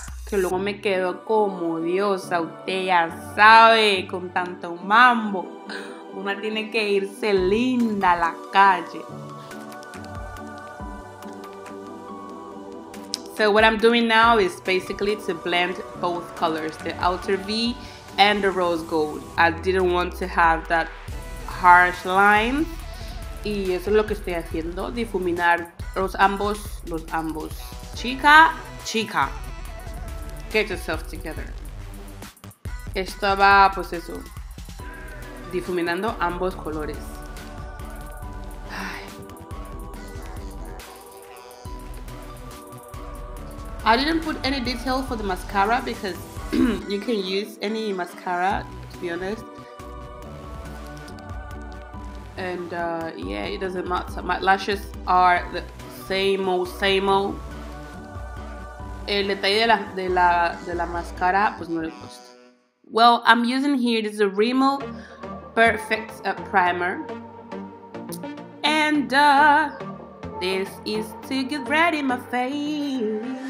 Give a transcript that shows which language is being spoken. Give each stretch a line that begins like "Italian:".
Spanish: Que luego me quedo como diosa, usted ya sabe, con tanto mambo. Una tiene que irse linda a la calle.
English: So what I'm doing now is basically to blend both colors, the outer V and the rose gold. I didn't want to have that harsh line.
Spanish: Y eso es lo que estoy haciendo, difuminar los ambos. Chica.
English: Get yourself together.
Spanish: Estaba, pues eso, difuminando ambos colores. Ay.
English: I didn't put any detail for the mascara because you can use any mascara, to be honest. And yeah, it doesn't matter. My lashes are the same old.
Spanish: El detalle de la máscara, pues no le gusta.
English: Well, I'm using here, this is a Rimmel Perfect Primer. And this is to get ready my face.